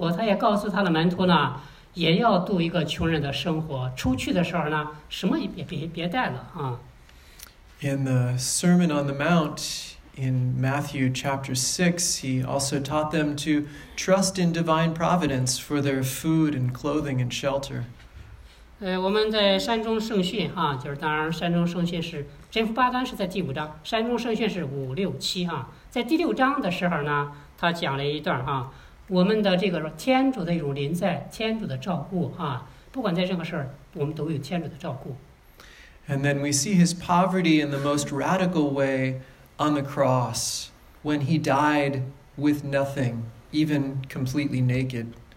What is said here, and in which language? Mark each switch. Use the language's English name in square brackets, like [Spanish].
[Chinese] 那耶稣呢，他自己这样生活，他也告诉他的门徒呢。也要度一个穷人的生活，出去的时候呢，什么也别带了啊。 [English] In the Sermon on the Mount, in Matthew chapter 6, he also taught them to trust in divine providence for their food and clothing and shelter. [Chinese] 我们在山中圣训啊，就是当然山中圣训是，真福八章是在第五章，山中圣训是五六七啊，在第六章的时候呢，他讲了一段啊。我们的这个天主的一种临在，天主的照顾啊，不管在任何事儿，我们都有天主的照顾。 [English] And then we see his poverty in the most radical way on the cross when he died with nothing, even completely naked.